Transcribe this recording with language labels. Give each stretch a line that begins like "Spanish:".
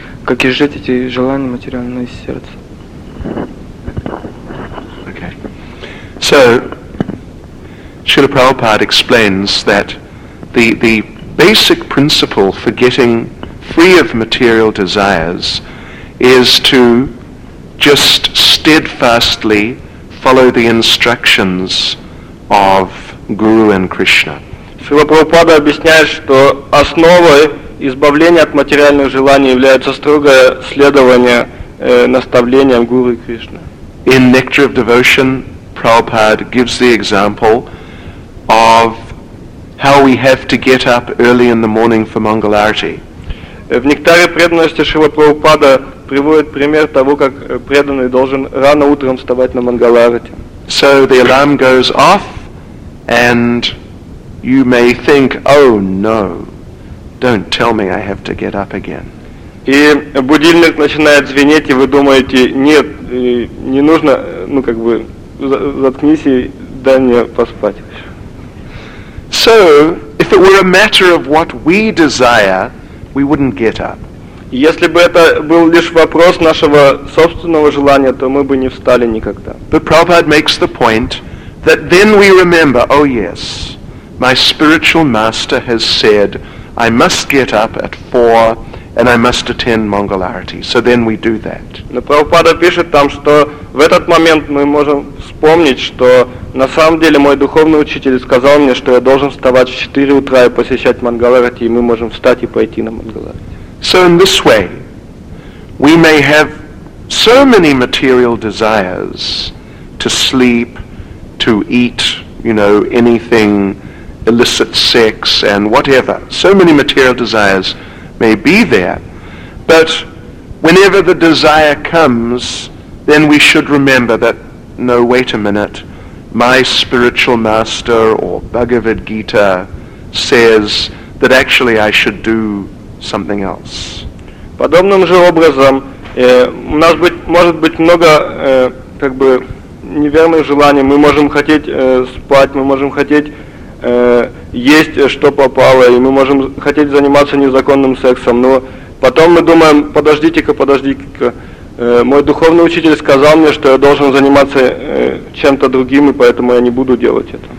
Russian: Как и жить эти желания материально из сердца.
English: Okay. So, Srila Prabhupada explains that the basic principle for getting free of material desires is to just steadfastly follow the instructions of Guru and Krishna.
Russian: Шрила Прабхупада объясняет, что основой избавления от материальных желаний является строгое следование наставлениям Гуру Кришны.
English: In Nectar of Devotion, Prabhupada gives the example of how we have to get up early in the morning for Mangalarti.
Russian: В Нектаре преданности Шрила Прабхупада приводит пример того, как преданный должен рано утром вставать на Мангаларти.
English: So the alarm goes off and you may think, oh no, don't tell me I have to get up again.
Russian: И будильник начинает звенеть, и вы думаете, нет, не нужно, ну как бы, заткнись и дай мне поспать.
English: So, if it were a matter of what we desire, we wouldn't get up.
Russian: Если бы это был лишь вопрос нашего собственного желания, то мы бы не встали никогда.
English: But Prabhupada makes the point that then we remember, oh yes, my spiritual master has said, I must get up at 4 and I must attend Mangal Arati. So then we do that.
Russian: Но Прабхупада пишет там, что в этот момент мы можем вспомнить, что на самом деле мой духовный учитель сказал мне, что я должен вставать в 4 утра и посещать Мангал Арати, и мы можем встать и пойти на Мангал Арати.
English: So in this way, we may have so many material desires to sleep, to eat, you know, anything, illicit sex and whatever. So many material desires may be there, but whenever the desire comes, then we should remember that, no, wait a minute, my spiritual master or Bhagavad Gita says that actually I should do something else.
Russian: Подобным же образом у нас может быть много как бы неверных желаний. Мы можем хотеть спать, мы можем хотеть есть что попало, и мы можем хотеть заниматься незаконным сексом, но потом мы думаем, подождите-ка, мой духовный учитель сказал мне, что я должен заниматься чем-то другим, и поэтому я не буду делать это.